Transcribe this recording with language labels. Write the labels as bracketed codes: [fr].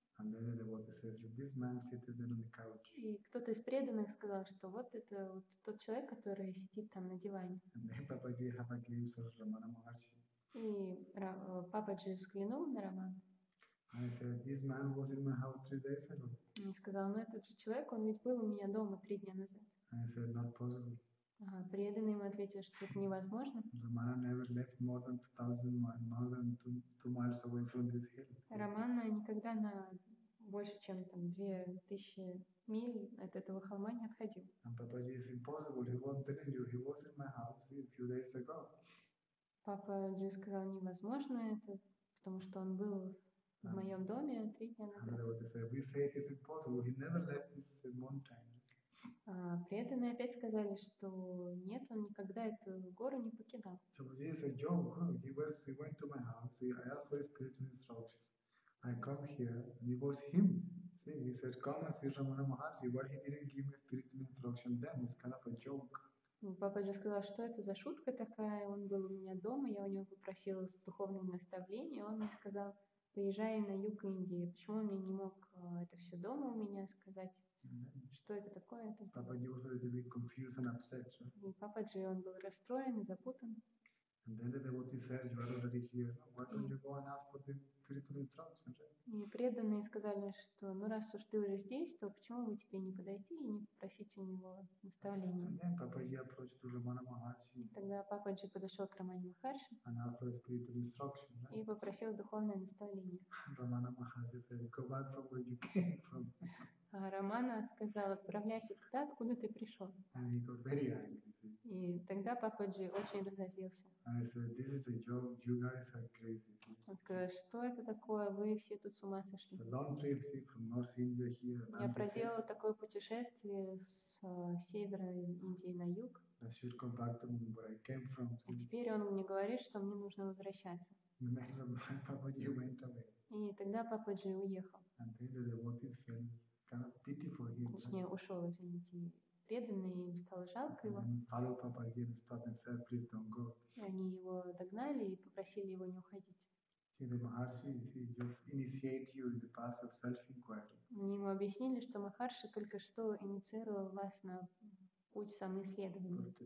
[en] And then the devotee says, this man sitting there on the couch. [ru] И кто-то из преданных сказал, что вот это вот тот человек, который сидит там на диване. [en] And then Papaji have a glimpse of Ramana Maharshi. [ru] И Пападжи взглянул на Ramana. [en] And I said, this man was in my house 3 days ago. [ru] И сказал, ну этот же человек, он ведь был у меня дома 3 дня назад. [en] And I said, not possible. [ru] А преданный ему ответил, что это невозможно. [en] Ramana never left more than 2,000 miles away from this hill. [ru] Ramana никогда на больше чем там 2,000 миль от этого холма не отходил. [en] And Papaji, it's impossible. He was telling you he was in my house a few days ago. [ru] Papaji сказал, невозможно это, потому что он был в моем доме 3 дня назад. [en] And they said, we say it is impossible. He never left this mountain. [ru] Преданные опять сказали, что нет, он никогда эту гору не покидал. [en] So this is a joke. He went to my house. I asked for his spiritual instructions. I come here, and it was him. See, he said, come and see Ramana Maharshi. Why he didn't give me spiritual instruction then? It's kind of a joke. [ru] Папа же сказал, что это за шутка такая. Он был у меня дома, я у него попросила духовное наставление. Он мне сказал, поезжай на юг Индии. Почему он мне не мог это все дома у меня сказать? Что это такое? [en] Папа Джи was a little bit confused and upset. So. [ru] И папа Джи, он был расстроен и запутан. [en] And then the devotee said, you are already here. Why don't you go and ask for the spiritual instruction? [ru] И преданные сказали, что ну раз уж ты уже здесь, то почему бы тебе не подойти и не попросить у него наставления? [en] And then Papaji approached to Ramana Maharshi. [ru] И тогда Пападжи подошел к Рамане Махарши [en] and offered spiritual instruction, right? [ru] И попросил духовное наставление. [en] Ramana Maharshi said, go back from where you came from. [ru] А Рамана сказал, отправляйся туда, откуда ты пришел. [en] And he got very angry. [ru] И тогда Пападжи очень разозлился. [en] I said, this is a joke. You guys are crazy. [ru] Он сказал, что это такое, вы все тут с ума сошли. [en] So long trip from North India here. [ru] Я проделал такое путешествие с севера Индии на юг. [en] I should come back to where I came from. [ru] А теперь он мне говорит, что мне нужно возвращаться. [en] Papaji went away. [ru] И тогда Пападжи уехал. [en] And then the devotees felt kind of pity for him. [ru] Точнее, ушел, извините. Преданные, им стало жалко его. [en] Said, [ru] они его догнали и попросили его не уходить. Они ему объяснили, что Махарши только что инициировал вас на путь самоисследования.